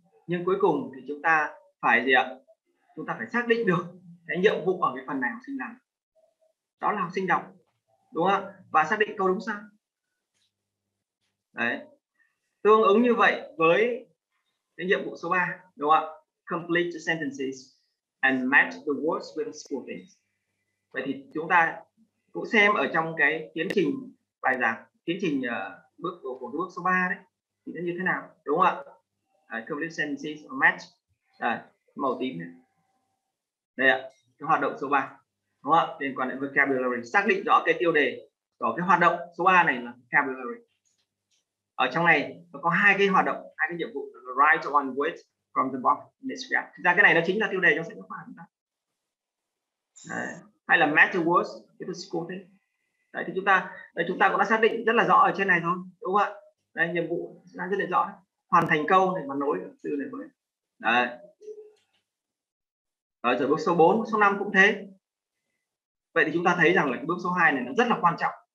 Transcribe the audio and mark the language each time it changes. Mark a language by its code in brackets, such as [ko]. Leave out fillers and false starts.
[vi] Nhưng cuối cùng thì chúng ta phải gì ạ? Chúng ta phải xác định được cái nhiệm vụ ở cái phần này học sinh làm. Đó là học sinh đọc, đúng không ạ? Và xác định câu đúng sao. Đấy. Tương ứng như vậy với cái nhiệm vụ số 3, đúng không ạ? [en] Complete the sentences and match the words with the school things. [vi] Vậy thì chúng ta cũng xem ở trong cái tiến trình bài giảng, tiến trình bước của bước số 3 đấy thì nó như thế nào, đúng không ạ? [en] Complete sentences or match. [vi] Màu tím này. Đây ạ, cái hoạt động số 3. Đúng không ạ? Liên quan đến vocabulary, xác định rõ cái tiêu đề của cái hoạt động số 3 này là vocabulary. Ở trong này nó có hai cái hoạt động, hai cái nhiệm vụ, [en] write one word from the box in this gap. [vi] Thực ra cái này nó chính là tiêu đề trong sách giáo khoa chúng ta. Hay là [en] match the words with the school thing. [vi] Đấy thì chúng ta cũng đã xác định rất là rõ ở trên này thôi, đúng không ạ? Đây nhiệm vụ đã rất là rõ. Hoàn thành câu này và nối từ này với. Đấy. Rồi, rồi bước số 4, số 5 cũng thế. Vậy thì chúng ta thấy rằng là cái bước số 2 này nó rất là quan trọng.